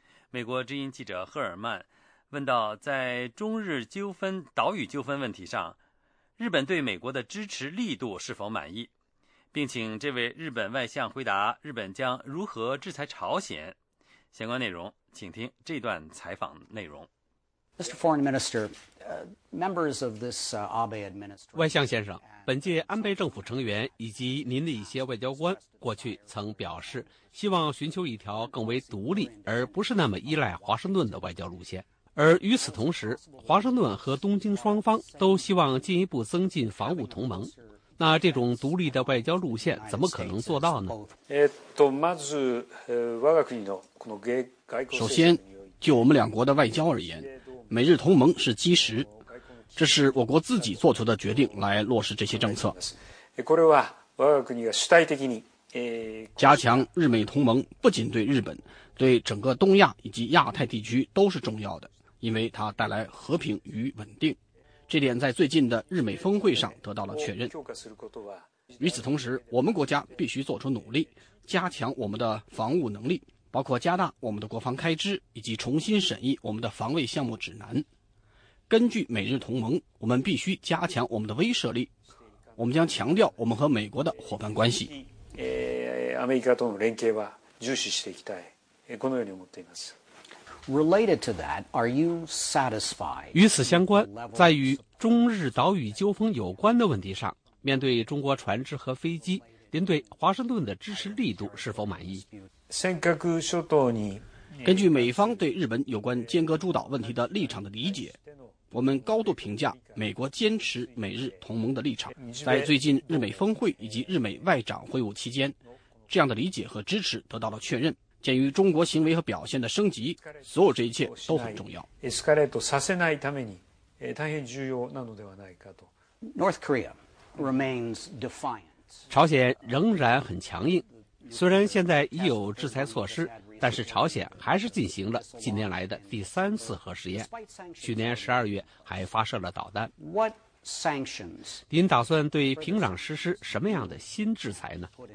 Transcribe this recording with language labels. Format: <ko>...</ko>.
<zh>美国之音记者赫尔曼问到，在中日纠纷、岛屿纠纷问题上，日本对美国的支持力度是否满意，并请这位日本外相回答日本将如何制裁朝鲜。相关内容请听这段采访内容。</zh> <en>Mr. Foreign Minister, members of this Abe administration.</en> <zh>外相先生，本届安倍政府成员以及您的一些外交官过去曾表示希望寻求一条更为独立而不是那么依赖华盛顿的外交路线。而与此同时，华盛顿和东京双方都希望进一步增进防务同盟。那这种独立的外交路线怎么可能做到呢？</zh> <ja>まず、我が国のこの外交。</ja> <zh>首先，就我们两国的外交而言，美日同盟是基石，这是我国自己做出的决定来落实这些政策。</zh> <ja>これは我が国が主体的に。</ja> <zh>加强日美同盟不仅对日本，对整个东亚以及亚太地区都是重要的，因为它带来和平与稳定，这点在最近的日美峰会上得到了确认。与此同时，我们国家必须做出努力，加强我们的防务能力，包括加大我们的国防开支以及重新审议我们的防卫项目指南。根据美日同盟，我们必须加强我们的威慑力，我们将强调我们和美国的伙伴关系。</zh> <ja>アメリカとの連携は重視していきたい、このように思っています。</ja> <en>Related to that, are you satisfied?</en> <zh>与此相关，在与中日岛屿纠纷有关的问题上，面对中国船只和飞机，您对华盛顿的支持力度是否满意？</zh> <ja>尖閣諸島に、</ja> <zh>根据美方对日本有关尖閣諸島问题的立场的理解，我们高度评价美国坚持美日同盟的立场，在最近日美峰会以及日美外长会晤期间，这样的理解和支持得到了确认。鉴于中国行为和表现的升级，所有这一切都很重要。</zh> <ja>エスカレートさせないために、大変重要なのではないかと。</ja> <en>North Korea remains defiant。</en> <zh>朝鮮仍然很強硬，虽然现在已有制裁措施，但是朝鲜还是进行了近年来的第三次核试验，去年12月还发射了导弹。您打算对平壤实施什么样的新制裁呢？</zh>